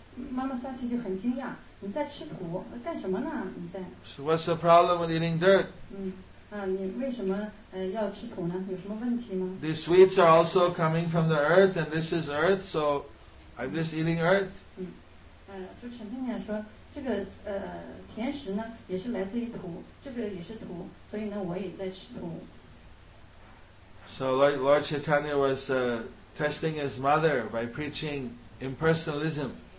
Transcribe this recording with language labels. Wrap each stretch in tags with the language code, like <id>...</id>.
<zh>Mama Sachi 就很惊讶, 你在吃土, 干什么呢? 你在?</zh> <en>So what's the problem with eating dirt?</en> <zh>你为什么要吃土呢?</zh> <en>These sweets are also coming from the earth, and this is earth, so I'm just eating earth.</en> <zh>就陈天天说, 这个甜食呢，也是来自于土，这个也是土，所以呢，我也在吃土。So</zh> <en>Lord Chaitanya was testing his mother by preaching impersonalism.</en>